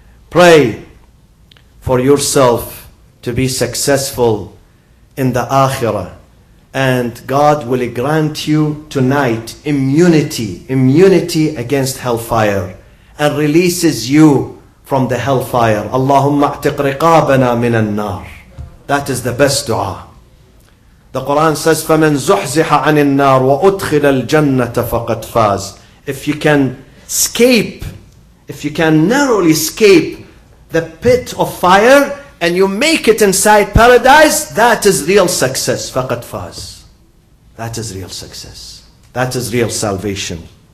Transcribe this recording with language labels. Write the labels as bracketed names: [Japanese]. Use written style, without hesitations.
[English] Pray for yourself to be successful in the Akhirah. And God will grant you tonight immunity against hellfire and releases you from the hellfire. [Arabic] Allahumma a'tiq riqabana minan nar. [English] That is the best dua. The Quran says, [Arabic] فَمَنْ زُحْزِحَ عَنِ النَّارِ وَأُدْخِلَ الْجَنَّةَ فَقَدْ فَازِ. [English] If you can escape, if you can narrowly escape the pit of fire and you make it inside paradise, that is real success. [Arabic] فَقَدْ فَازِ. [English] That is real success. That is real salvation.